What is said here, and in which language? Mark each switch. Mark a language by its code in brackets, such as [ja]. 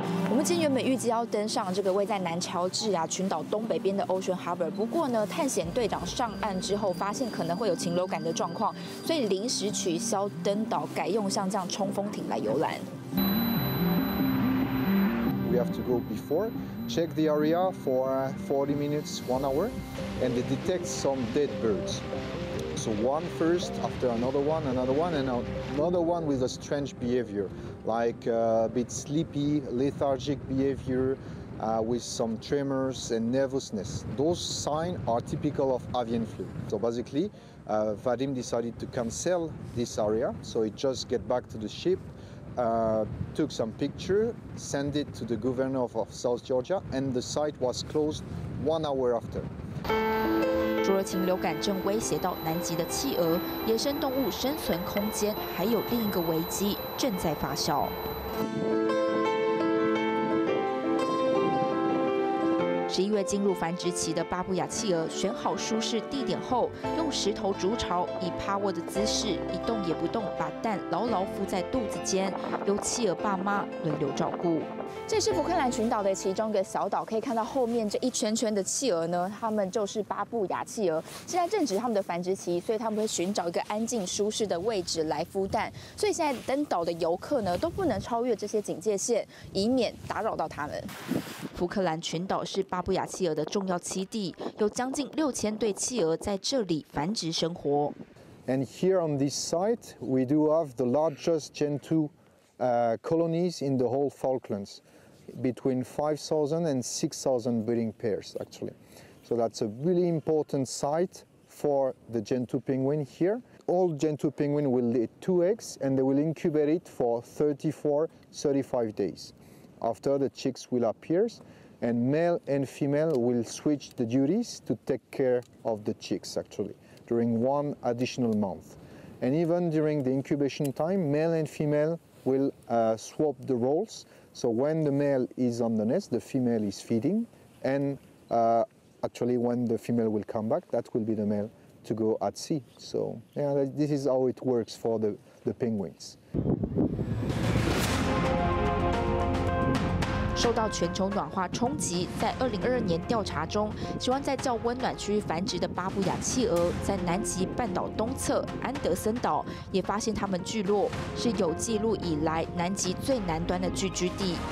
[zh] 我们今天原本预计要登上这个位在南乔治亚群岛东北边的 Ocean Harbor， 不过呢，探险队长上岸之后发现可能会有禽流感的状况，所以临时取消登岛，改用像这样冲锋艇来游览。 [en] We have to go before check the area for 40 minutes, one hour, and they detect some dead birds. So one first, after another one, and another one with a strange behavior. Like a bit sleepy, lethargic behavior, with some tremors and nervousness. Those signs are typical of avian flu. So basically, Vadim decided to cancel this area. So he just get back to the ship, took some picture, send it to the governor of South Georgia, and the site was closed 1 hour after. [zh] 除了禽流感正威胁到南极的企鹅，野生动物生存空间还有另一个危机正在发酵。十一月进入繁殖期的巴布亚企鹅，选好舒适地点后，用石头筑巢，以趴卧的姿势，一动也不动，把蛋牢牢敷在肚子间，由企鹅爸妈轮流照顾。这是福克兰群岛的其中一个小岛，可以看到后面这一圈圈的企鹅呢，它们就是巴布亚企鹅，现在正值它们的繁殖期，所以它们会寻找一个安静舒适的位置来孵蛋，所以现在登岛的游客呢都不能超越这些警戒线，以免打扰到它们。福克兰群岛是巴布亚企鹅的重要栖地，有将近6000对企鹅在这里繁殖生活。 [en] And here on this site, we do have the largest Gen 2colonies in the whole Falklands, between 5,000 and 6,000 breeding pairs, actually. So that's a really important site for the Gen 2 penguin here. All Gen 2 penguin will lay 2 eggs, and they will incubate it for 34-35 days. After, the chicks will appear, and male and female will switch the duties to take care of the chicks, actually, during one additional month. And even during the incubation time, male and female will swap the roles. So when the male is on the nest, the female is feeding. And actually when the female will come back, that will be the male to go at sea. So yeah, this is how it works for the penguins. [zh] 受到全球暖化冲击，在2022年调查中，喜欢在较温暖区域繁殖的巴布亚企鹅，在南极半岛东侧安德森岛也发现它们聚落，是有记录以来南极最南端的聚居地。